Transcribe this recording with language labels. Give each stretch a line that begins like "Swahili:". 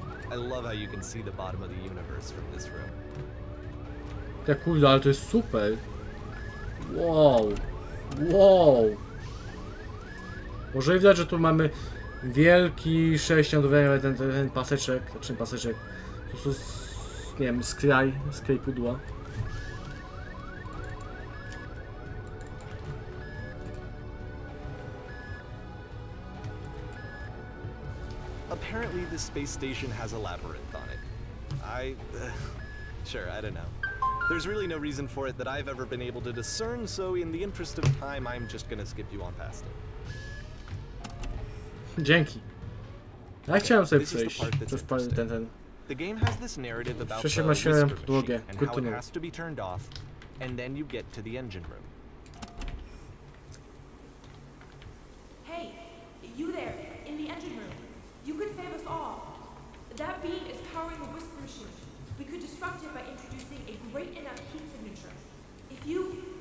English: I love how you can see the bottom of the universe from this room.
Polish: Ja kurde, ale to jest super. Wow. Wow. Może widać, że tu mamy wielki sześcian, ten paseczek, znaczy paseczek. To są, nie wiem, skraj pudła.
English: Apparently the space station has a labyrinth on it. Sure, I don't know. There's really no reason for it that I've ever been able to discern, so in the interest of time, I'm just gonna skip you on past it.
Polish: Dzięki. Ja chciałem sobie przejść przez parę ten.
English: The game has this narrative about the whisper machine and how it has to be turned off, and then you get to the engine room. Hey, you there, in the engine room. You could save us all. That beam is powering the whisper machine. We could disrupt it by introducing a great enough heat signature. If you...